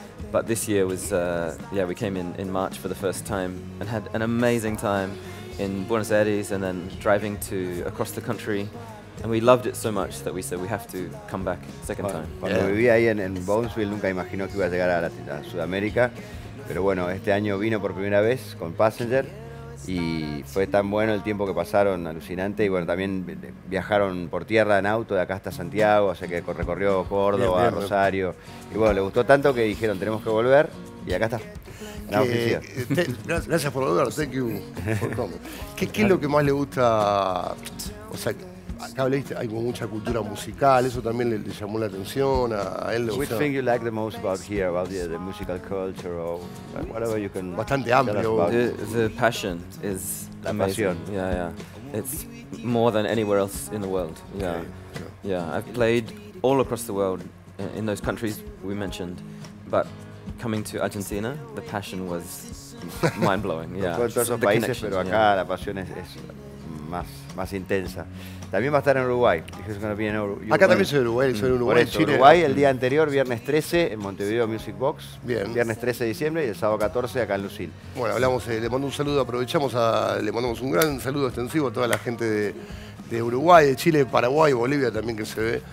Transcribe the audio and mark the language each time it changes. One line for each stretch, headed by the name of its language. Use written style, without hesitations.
English: But this year was we came in March for the first time and had an amazing time in Buenos Aires and then driving to across the country. And we loved it so much that we said we have to come back second time.
Spanish: Cuando viví ahí en Bonesville, nunca imaginó que iba a llegar a Sudamérica. Pero bueno, este año vino por primera vez con Passenger. Y fue tan bueno el tiempo que pasaron, alucinante. Y bueno, también viajaron por tierra en auto de acá hasta Santiago. O sea que recorrió Córdoba, bien, Rosario. Y bueno, le gustó tanto que dijeron, tenemos que volver. Y acá está. Gracias por volver.
English: Thank you for coming.
Spanish: ¿Qué es lo que más le gusta? O sea... Acá leíste, hay mucha cultura musical, eso también le llamó la atención a él.
English: Which thing you like the most about here, about the musical culture or whatever you can.
Spanish: Bastante amplio.
English: The passion is
Spanish: la
English: amazing.
Spanish: Pasión.
English: Yeah, yeah. It's more than anywhere else in the world. Yeah. Okay. Yeah, I've played all across the world in those countries we mentioned, but coming to Argentina, the passion was mind blowing. Yeah.
Spanish: En todos esos países, pero acá la pasión es más intensa. También va a estar en Uruguay. Acá también soy de Uruguay, soy de Uruguay. Por eso, Uruguay el día anterior, viernes 13, en Montevideo Music Box. Bien. Viernes 13 de diciembre y el sábado 14 acá en Lucille. Bueno, hablamos, le mando un saludo, le mandamos un gran saludo extensivo a toda la gente de Uruguay, de Chile, Paraguay, Bolivia también que se ve.